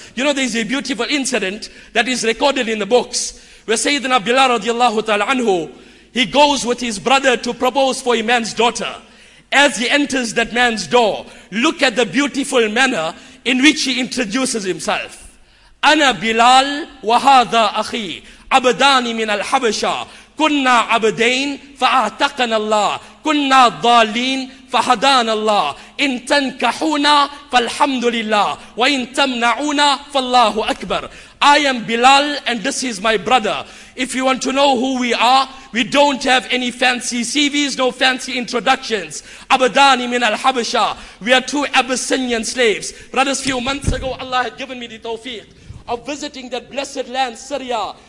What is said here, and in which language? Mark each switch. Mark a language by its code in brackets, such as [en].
[en] You know, there is a beautiful incident that is recorded in the books where Sayyidina Bilal radiallahu ta'ala anhu, he goes with his brother to propose for a man's daughter. As he enters that man's door, look at the beautiful manner in which he introduces himself. [ar] Ana Bilal wa hadha akhi. عبدان من الحبشة كنا عبدين فأعتقنا الله كنا ضالين فهدانا الله إن تنكحونا فالحمد لله وإن تمنعونا فالله أكبر. [en] I am Bilal and this is my brother. If you want to know who we are, we don't have any fancy CVs, no fancy introductions. [ar] Abadani min al-Habasha. [en] We are two Abyssinian slaves. Brothers, few months ago Allah had given me the tawfiq of visiting that blessed land, Syria.